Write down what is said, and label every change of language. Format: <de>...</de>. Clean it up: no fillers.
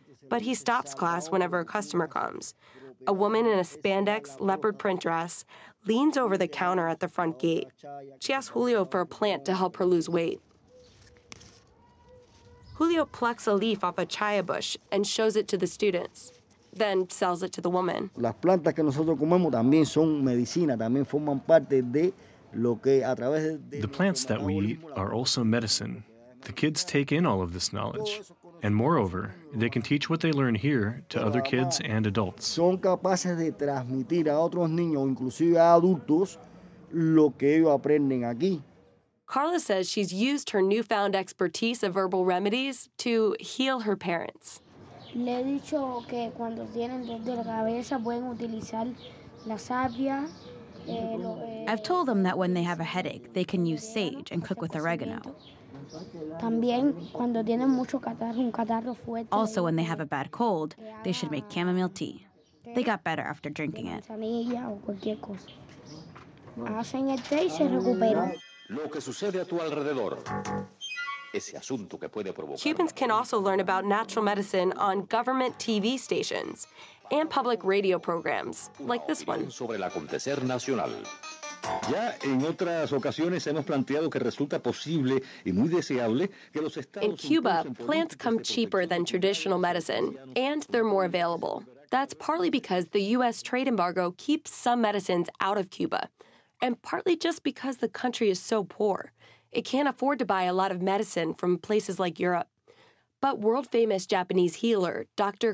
<en>But he stops class whenever a customer comes. A woman in a spandex leopard print dress leans over the counter at the front gate. She asks Julio for a plant to help her lose weight. Julio plucks a leaf off a chaya bush and shows it to the students, then sells it to the woman.</en> <es>Las plantas que nosotros comemos también son medicina, también forman parte de lo que a través de...</es> <en>The plants that we eat are also medicine. The kids take in all of this knowledge. And moreover, they can teach what they learn here to other kids and adults.</en> <es>Son capaces de transmitir a otros niños, inclusive a adultos, lo que ellos aprenden aquí.</es> <en>Carla says she's used her newfound expertise of herbal remedies to heal her parents.</en> <es>Le he dicho que cuando tienen dolor de cabeza pueden utilizar la savia.</es> <en>I've told them that when they have a headache, they can use sage and cook with oregano.</en> <es>También cuando tienen mucho catarro, un catarro fuerte.</es> <en>Also, when they have a bad cold, they should make chamomile tea. They got better after drinking it.</en> <es>Manzanilla o cualquier cosa. Hacen el té y se recuperan. Lo que sucede a tu alrededor.</es> <en>Cubans can also learn about natural medicine on government TV stations and public radio programs like this one.</en> <es>Sobre el acontecer nacional. Ya en otras ocasiones hemos planteado que resulta posible y muy deseable que los estados.</es> <en>In Cuba, plants come cheaper than traditional medicine, and they're more available. That's partly because the U.S. trade embargo keeps some medicines out of Cuba, and partly just because the country is so poor. It can't afford to buy a lot of medicine from places like Europe. But world-famous Japanese healer, Dr.</en>